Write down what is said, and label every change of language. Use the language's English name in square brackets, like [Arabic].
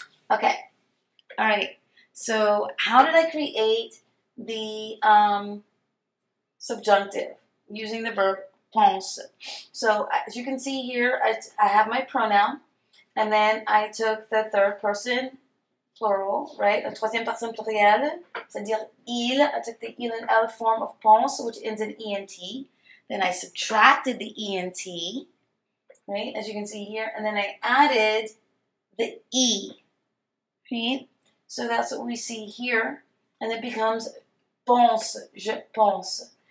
[English] Okay, all right, so how did I create the subjunctive using the verb pense? So as you can see here, I have my pronoun, and then I took the third person plural, right? [French] La troisième personne plurielle, c'est-à-dire il. [English] I took the il and el form of pense, which ends in ent. Then I subtracted the ent, right? As you can see here, and then I added the e. Right? So that's what we see here, and it becomes pense, [French] je pense.